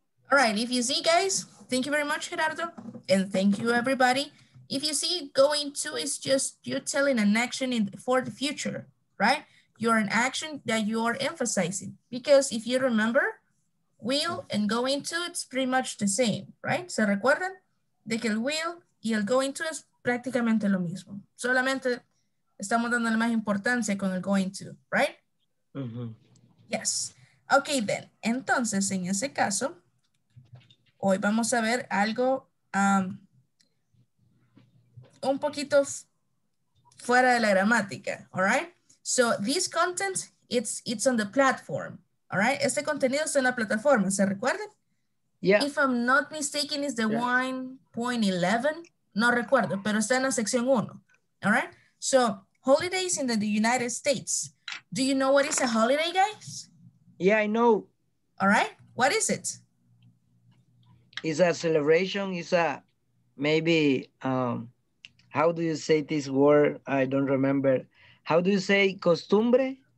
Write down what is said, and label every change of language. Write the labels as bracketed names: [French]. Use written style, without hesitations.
[English] All right, if you see, guys, thank you very much, Gerardo, and thank you, everybody. If you see, going to is just you telling an action for the future, right? You're an action that you are emphasizing, because if you remember, will and going to, it's pretty much the same, right? [Spanish] ¿Se recuerdan de que el will y el going to es prácticamente lo mismo? Solamente estamos dando la más importancia con el going to, right? Uh-huh. [English] Yes. Okay, then. [Spanish] Entonces, en ese caso, hoy vamos a ver algo un poquito fuera de la gramática, [English] all right? So this content it's on the platform, all right? [Spanish] Este contenido está en la plataforma, ¿se recuerdan? [English] Yeah. If I'm not mistaken, it's the 1.11. [Spanish] No recuerdo, pero está en la sección 1, [English] all right? So, holidays in the United States. Do you know what is a holiday, guys? Yeah, I know. All right, what is it? It's a celebration, it's a, maybe, how do you say this word? I don't remember. How do you say costumbre?